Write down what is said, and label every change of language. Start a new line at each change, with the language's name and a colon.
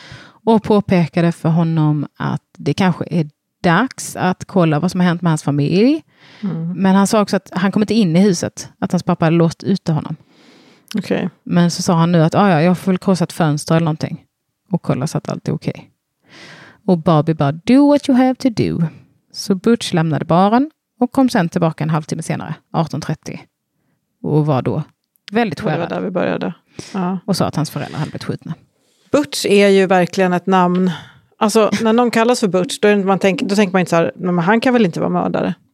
Swedish: Och påpekade för honom att det kanske är dags att kolla vad som har hänt med hans familj. Mm. Men han sa också att han kom inte in i huset, att hans pappa hade låst ute honom.
English: Okay.
Swedish: Men så sa han nu att jag får väl krossa ett fönster eller någonting och kolla så att allt är okej.
English: Okay.
Swedish: Och Bobby bara,
English: do what you have to do.
Swedish: Så Butch lämnade baren och kom sen tillbaka en halvtimme senare, 18.30. Och var då väldigt skärrad. Det var där vi började. Ja. Och sa att hans föräldrar hade blivit skjutna. Butch är ju verkligen ett namn. Alltså, när någon kallas för Butch, då tänker man inte så här, men han kan väl inte vara mördare?